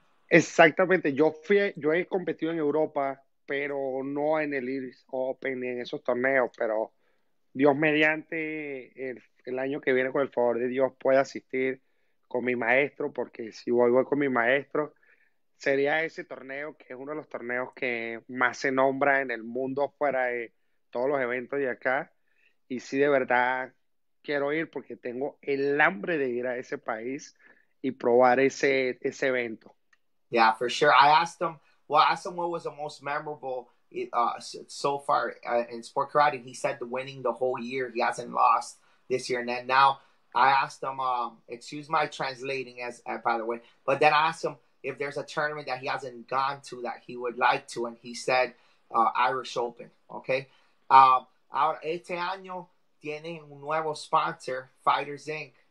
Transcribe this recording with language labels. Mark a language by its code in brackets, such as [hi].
[es] Exactamente, yo he competido en Europa, pero no en el Irish Open ni en esos torneos, pero Dios mediante el año que viene, con el favor de Dios, pueda asistir con mi maestro, porque si voy con mi maestro, sería ese torneo que es uno de los torneos que más se nombra en el mundo fuera de todos los eventos de acá. Y sí, de verdad quiero ir porque tengo el hambre de ir a ese país y probar ese evento. [en] Yeah, for sure. I asked him what was the most memorable so far in sport karate. He said the winning the whole year. He hasn't lost this year. And then now I asked him, excuse my translating as by the way, but then I asked him if there's a tournament that he hasn't gone to that he would like to. And he said, Irish Open. Okay. [es] Ahora este año tiene un nuevo sponsor, Fighters Inc.